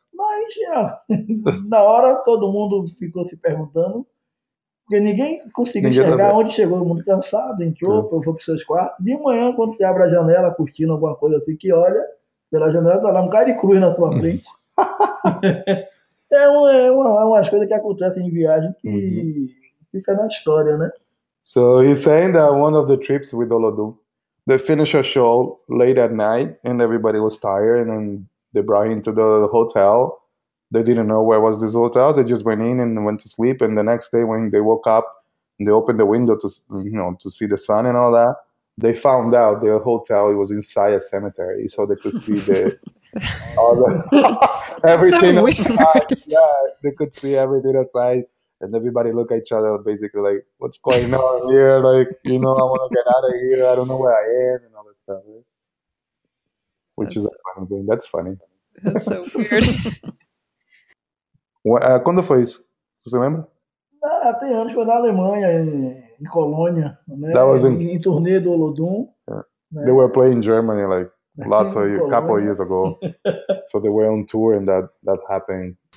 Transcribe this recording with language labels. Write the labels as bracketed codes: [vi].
[pt] Mas já, na hora todo mundo ficou se perguntando, porque ninguém conseguiu enxergar onde chegou, todo mundo cansado, entrou, foi pro seus quartos. De manhã, quando você abre a janela, curtindo alguma coisa assim, que olha, pela janela tá lá um cara de cruz na sua frente. umas coisas que acontecem em viagem que fica na história, né? [en] So he's saying that one of the trips with Olodum, they finished a show late at night and everybody was tired, and then they brought him to the hotel. They didn't know where was this hotel. They just went in and went to sleep. And the next day when they woke up, they opened the window to, you know, to see the sun and all that, they found out their hotel, it was inside a cemetery. So they could see the, all the everything. So they could see everything outside. And everybody look at each other, basically like, what's going on here? Like, you know, I want to get out of here. I don't know where I am and all that stuff. Right? Which is a funny thing. That's funny. That's so weird. [pt] Quando foi isso? Você lembra? Ah, tem anos, foi na Alemanha, em Colônia. Né? [en] That was [pt] em turnê do Olodum. [en] They were playing in Germany, like, lots of a couple of years ago. So they were on tour and that happened.